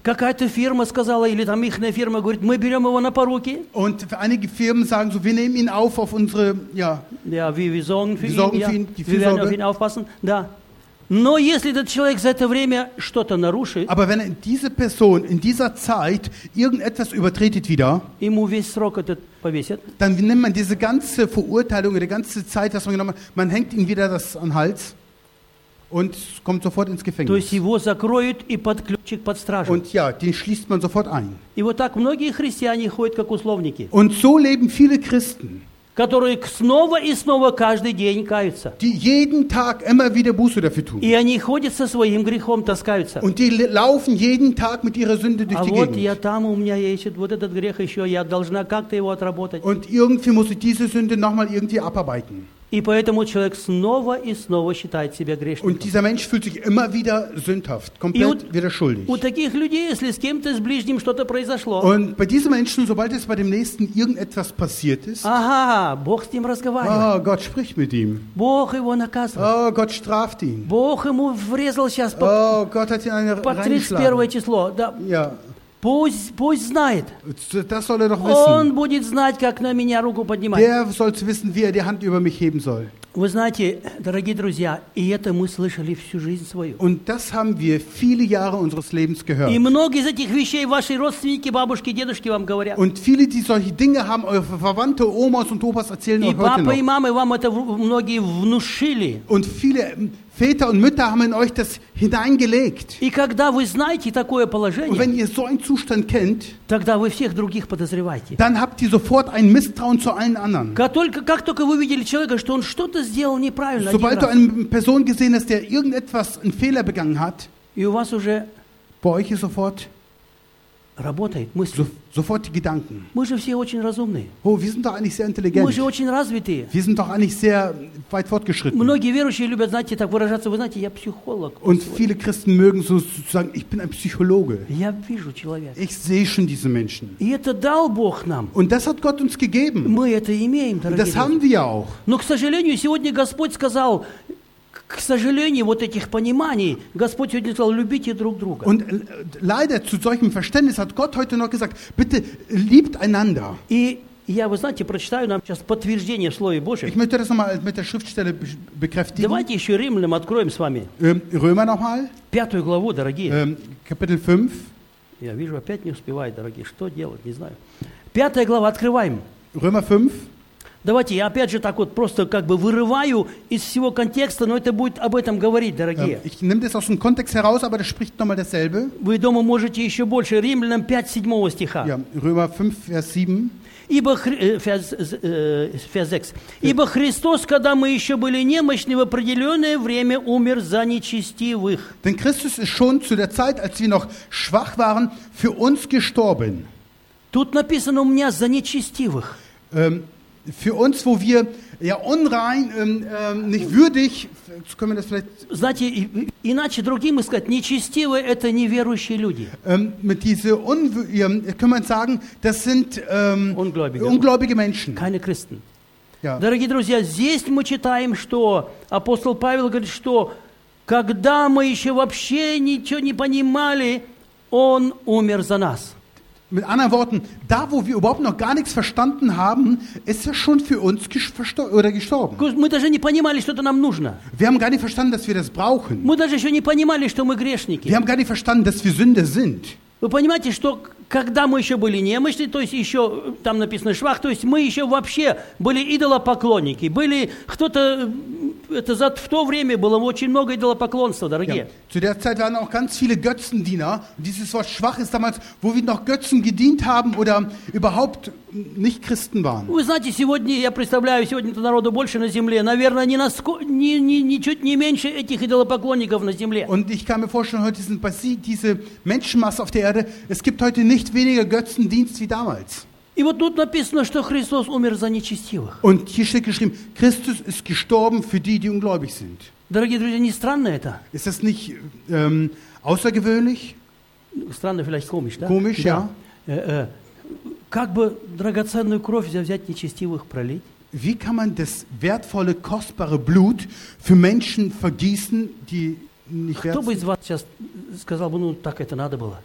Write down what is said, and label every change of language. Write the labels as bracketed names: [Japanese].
[Russian] Какая-то фирма сказала или там ихняя фирма говорит, мы берем его на поруки. [German] Und einige Firmen sagen so, wir nehmen ihn auf unsere, ja. Ja, wir sorgen für ihn. Wir sorgen ihn, für ja. ihn, die Fürsorge. Wir werden auf ihn aufpassen, да. [Russian] Но если этот человек за это время что-то нарушит, [German] aber wenn diese Person in dieser Zeit irgendetwas übertretet wieder, [Russian] ему весь срок этот повесят, [German] dann nimmt man diese ganze Verurteilung oder die ganze Zeit, was man genommen hat, man hängt ihm wieder das an den Hals und kommt sofort ins Gefängnis. [Russian] То есть его закроют и под ключик под стражу. [German] Und ja, den schließt man sofort ein. [Russian] И вот так многие христиане ходят как условники. [German] Und so leben viele Christen. [Russian] Которые снова и снова каждый день каются. [German] Die jeden Tag immer wieder Buße dafür tun. [Russian] И они ходят со своим грехом, таскаются. [German] Und die laufen jeden Tag mit ihrer Sünde durch а die вот Gegend. [Russian] Я там, у меня есть вот этот грех еще, я должна как-то его отработать. [German] Und irgendwie muss ich diese Sünde nochmal irgendwie abarbeiten. [Russian] И поэтому человек снова и снова считает себя грешником. [German] Und dieser Mensch fühlt sich immer wieder sündhaft, komplett wieder schuldig. [Russian] У таких людей, если с кем-то, с ближним что-то произошло. [German] Und bei diesen Menschen, sobald es bei dem Nächsten irgendetwas passiert ist, [Russian] aha, Бог с ним разговаривает. [German] Oh, Gott spricht mit ihm. [Russian] Бог его наказывает. [German] Oh, Gott straft ihn. [Russian] Бог ему врезал сейчас [German] по, oh, Gott hat ihn eine [Russian] по 31 число. Да. [German] Ja. [Russian] Пусть знает. [German] Das soll er doch wissen. [Russian] Он будет знать, как на меня руку поднимать. [German] Der soll wissen, wie er die Hand über mich heben soll. [Russian] Вы знаете, дорогие друзья, и это мы слышали всю жизнь свою. [German] Und das haben wir viele Jahre unseres Lebens gehört. [Russian] И многие из этих вещей ваши родственники, бабушки, дедушки вам говорят. [German] Und viele die solche Dinge haben eure Verwandte, Omas und Opas erzählen euch heute noch. [Russian] И папа и мама вам это многие внушили. [German] Und viele Väter und Mütter haben in euch das hineingelegt. [Russian] И когда вы знаете такое положение, [German] und wenn ihr so einen Zustand kennt, [Russian] тогда вы всех других подозреваете. [German] Dann habt ihr sofort ein Misstrauen zu allen anderen. [Russian] Как только вы видели человека, что он что-то сделал неправильно, [German] sobald du eine Person gesehen hast, der irgendetwas einen Fehler begangen hat, [Russian] и у вас уже [German] bei euch ist sofort [Russian] работает мысль. [German] Sofort die Gedanken. [Russian] Мы же все очень разумные. [German] Oh, wir sind doch eigentlich sehr intelligent. [Russian] Мы же очень развитые. [German] Wir sind doch eigentlich sehr weit fortgeschritten. [Russian] Многие верующие любят, знаете, так выражаться. Вы знаете, я психолог. [German] Und viele Christen mögen so sagen, ich bin ein Psychologe. [Russian] Я вижу человека. [German] Ich sehe schon diese Menschen. [Russian] И это дал Бог нам. [German] Und das hat Gott uns gegeben. [Russian] Мы это имеем, дорогие. [German] Das haben wir auch. [Russian] Но, к сожалению, сегодня Господь сказал. К сожалению, вот этих пониманий Господь сегодня сказал: любите друг друга. [German] Und leider zu solchem Verständnis hat Gott heute noch gesagt: bitte liebt einander. [Russian] И я, вы знаете, прочитаю нам сейчас подтверждение в Слове Божьем. [German] Ich möchte das nochmal mit der Schriftstelle bekräftigen. [Russian] Давайте еще Римлянам откроем с вами. [German] Römer nochmal. [Russian] Пятую главу, дорогие. [German] Kapitel 5. [Russian] Я вижу, опять не успеваю, дорогие. Что делать, не знаю. Пятая глава, открываем. [German] Römer 5. [Russian] Давайте я опять же так вот просто как бы вырываю из всего контекста, но это будет об этом говорить, дорогие. [German] Ich nehme das aus dem Kontext heraus, aber das spricht nochmal dasselbe. [Russian] Вы дома можете еще больше. Римлянам 5, 7 стиха. [German] Ja, Römer 5, Vers 7. Vers 6. [Russian] Ибо Христос, когда мы еще были немощны, в определенное время умер за нечестивых. [German] Denn Christus ist schon zu der Zeit, als wir noch schwach waren, für uns gestorben. [Russian] Тут написано у меня за нечестивых. [German] Für uns, wo wir ja unrein, nicht würdig, können wir das vielleicht. [Russian] Знаете, иначе другим сказать, нечестивые это неверующие люди. [German] Mit diese kann man sagen, das sind ungläubige Menschen. Keine Christen. Ja. [Russian] Дорогие друзья, здесь мы читаем, что апостол Павел говорит, что когда мы еще вообще ничего не понимали, он умер за нас. [German] Mit anderen Worten, da wo wir überhaupt noch gar nichts verstanden haben, ist er schon für uns gestorben. [Russian] Wir даже не понимали, что это нам нужно. [German] Wir haben gar nicht verstanden, dass wir das brauchen. [Russian] Мы даже еще не понимали, что мы грешники. [German] Wir haben gar nicht verstanden, dass wir Sünder sind. [Russian] Вы понимаете, что когда мы еще были немощны, то есть еще там написано швах, то есть мы еще вообще были идолопоклонники, были кто-то, это за в то время было очень много идолопоклонства, дорогие. [German] Ja. Zu der Zeit waren auch ganz viele Götzendiener. Dieses Wort schwach ist damals, wo wir noch Götzen gedient haben oder überhaupt nicht Christen waren. [Russian] Вы знаете, сегодня я представляю, сегодня это народу больше на земле, наверное, ничуть не меньше этих идолопоклонников на земле. [German] Und ich kann mir vorstellen, heute sind diese Menschenmasse auf der Erde, es gibt heute nicht weniger Götzendienst wie damals. [Russian] И вот тут написано, что Христос умер за нечестивых. [German] Und hier steht geschrieben, Christus ist gestorben für die, die ungläubig sind. [Russian] Дорогие друзья, не странно это? [German] Ist das nicht außergewöhnlich? [Russian] Странно, [German] vielleicht komisch, [Russian] да? [German] Komisch, ja. [Russian] Как бы драгоценную кровь взять нечестивых пролить? [German] Wie kann man das wertvolle, kostbare Blut für Menschen vergießen, die nicht wert sind? [Russian] Кто бы сейчас сказал бы, ну так это надо было?